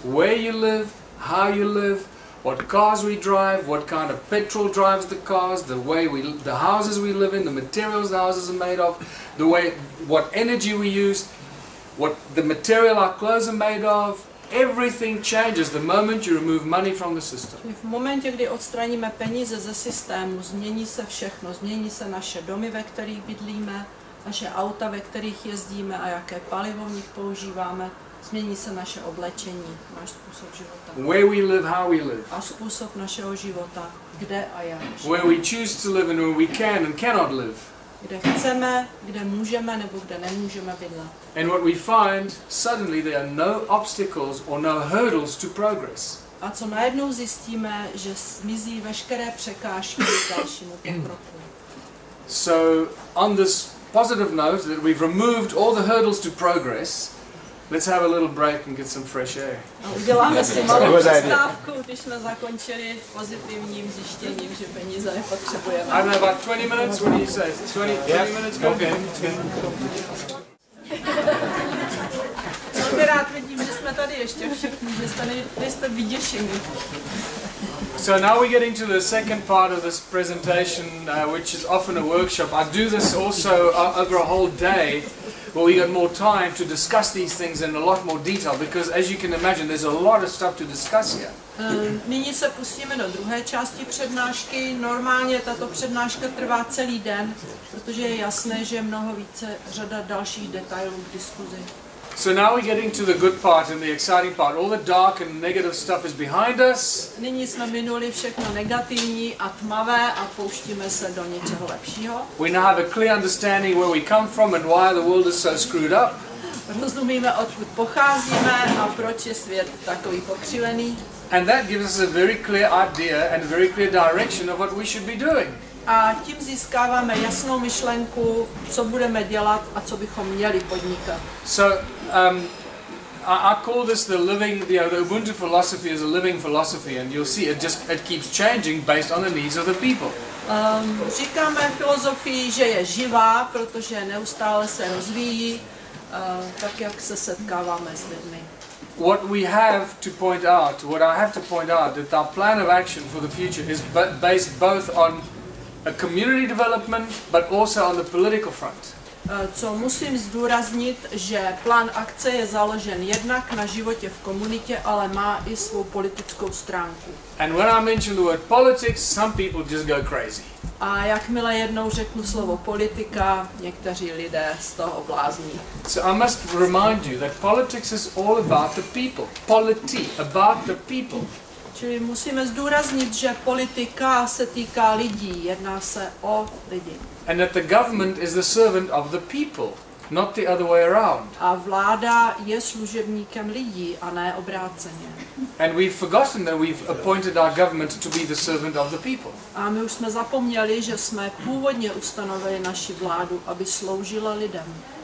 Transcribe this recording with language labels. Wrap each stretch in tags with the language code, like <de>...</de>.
<en>Where you live, how you live, what cars we drive, what kind of petrol drives the cars, the way we, the houses we live in, the materials the houses are made of, the way, what energy we use, what the material our clothes are made of, everything changes the moment you remove money from the system.</en> <cs>V momentě, kdy odstraníme peníze ze systému, změní se všechno, změní se naše domy, ve kterých bydlíme, naše auta, ve kterých jezdíme a jaké palivo v nich používáme. Změní se naše oblečení, náš způsob života.</cs> <en>Where we live, how we live.</en> <cs>A způsob našeho života, kde a jak.</cs> <en>Where we choose to live and where we can and cannot live.</en> <cs>Kde chceme, kde můžeme nebo kde nemůžeme bydlet.</cs> <en>And what we find, suddenly there are no obstacles or no hurdles to progress.</en> <cs>A co najednou zjistíme, že zmizí veškeré překážky k dalšímu pokroku.</cs> <en>So on this positive note that we've removed all the hurdles to progress, let's have a little break and get some fresh air.</en> <cs>Uděláme si malou přestávku, když jsme zakončili pozitivním zjištěním, že peníze nepotřebujeme.</cs> <en>I don't know, about 20 minutes, what do you say? 20 minutes, go.</en> <cs>Velmi rád vidím, že jsme tady ještě všichni, že jste vyděšení.</cs> <en>So now we're getting to the second part of this presentation, which is often a workshop. I do this also over a whole day, where we got more time to discuss these things in a lot more detail, because as you can imagine, there's a lot of stuff to discuss here.</en> <cs>Nyní se pustíme do druhé části přednášky. Normálně tato přednáška trvá celý den, protože je jasné, že je mnoho více řada dalších detailů k diskuzi.</cs> <en>So now we're getting to the good part and the exciting part. All the dark and negative stuff is behind us.</en> <cs>Nyní jsme minuli všechno negativní a tmavé a pouštíme se do něčeho lepšího.</cs> <en>We now have a clear understanding where we come from and why the world is so screwed up.</en> <cs>Rozumíme, odkud pocházíme a proč je svět takový pokřivený.</cs> <en>And that gives us a very clear idea and a very clear direction of what we should be doing.</en> <cs>A tím získáváme jasnou myšlenku, co budeme dělat a co bychom měli podnikat.</cs> <en>So I call this the living, the Ubuntu philosophy is a living philosophy, and you'll see it keeps changing based on the needs of the people.</en> <cs>Říkáme filozofii, že je živá, protože neustále se rozvíjí, tak jak se setkáváme s lidmi.</cs> <en>What we have to point out, what I have to point out, that our plan of action for the future is based both on a community development, but also on the political front.</en> <cs>Co musím zdůraznit, že plán akce je založen jednak na životě v komunitě, ale má i svou politickou stránku.</cs> <en>And when I mention the word politics, some people just go crazy.</en> <cs>A jakmile jednou řeknu slovo politika, někteří lidé z toho blázní.</cs> <en>So I must remind you that politics is all about the people. Polity, about the people.</en> <cs>Čili musíme zdůraznit, že politika se týká lidí, jedná se o lidi.</cs> <en>And that the government is the servant of the people, not the other way around.</en> <cs>A vláda je služebníkem lidí, a ne obráceně.</cs> <en>And we've forgotten that we've appointed our government to be the servant of the people.</en> <cs>A my už jsme zapomněli, že jsme původně ustanovili naši vládu, aby sloužila lidem.</cs>